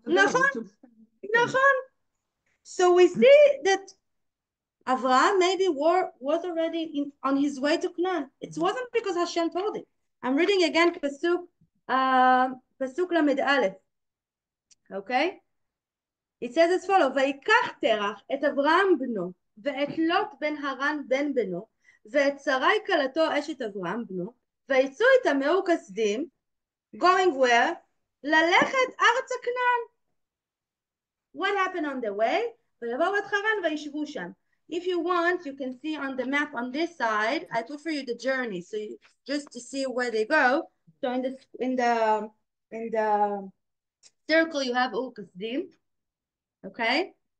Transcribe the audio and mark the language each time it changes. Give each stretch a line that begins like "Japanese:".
English: to so we see that Abraham maybe was already on his way to Canaan. It wasn't because Hashem told it. I'm reading again Pasuk Lamed Aleph. Okay? It says as follows,
Hebrew: Vayikach Terach et Abraham bno. ואת לוט בן הרן בן בנו, ואת שרי כלתו אשת אברהם בנו, ויצאו איתם מאור כסדים,
English: going where?
Hebrew: ללכת ארצה כנען.
English: What happened on the way?
Hebrew: ויבואו את חרן וישבו שם.
English: If you want, you can see on the map on this side, I put for you the journey, so you, just to see where they go. So in the circle you have אור כסדים, okay?